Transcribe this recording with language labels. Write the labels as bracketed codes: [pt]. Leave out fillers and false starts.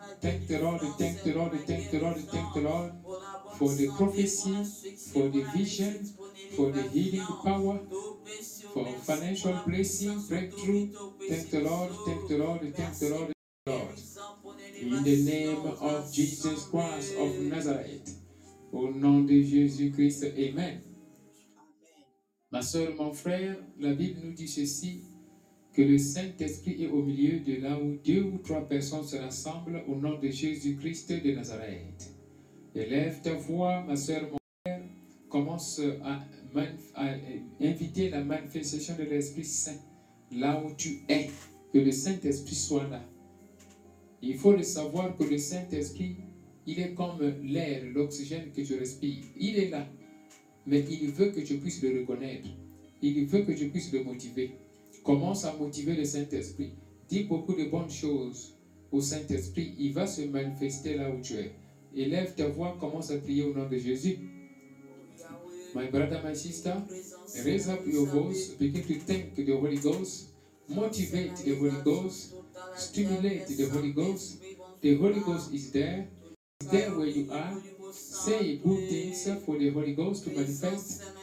[en] Thank the Lord, thank the Lord, thank the Lord, thank the Lord for the prophecy, for the vision, for the healing power, for financial blessing, breakthrough. Thank the Lord, thank the Lord, thank the Lord, thank the Lord. In the name of Jesus Christ of Nazareth. [fr] Au nom de Jésus Christ, Amen. Ma soeur, mon frère, la Bible nous dit ceci. Que le Saint-Esprit est au milieu de là où deux ou trois personnes se rassemblent au nom de Jésus-Christ de Nazareth. Élève ta voix, ma sœur, mon frère, commence à inviter la manifestation de l'Esprit Saint là où tu es. Que le Saint-Esprit soit là. Il faut le savoir que le Saint-Esprit, il est comme l'air, l'oxygène que tu respires. Il est là, mais il veut que tu puisses le reconnaître. Il veut que tu puisses le motiver. Commence à motiver le Saint-Esprit. Dis beaucoup de bonnes choses au Saint-Esprit. Il va se manifester là où tu es. Élève ta voix, commence à prier au nom de Jésus. [en] My brother, my sister, raise up your voice. Begin to thank the Holy Ghost. Motivate the Holy Ghost. Stimulate the Holy Ghost. The Holy Ghost is there. It's there where you are. Say good things for the Holy Ghost to manifest.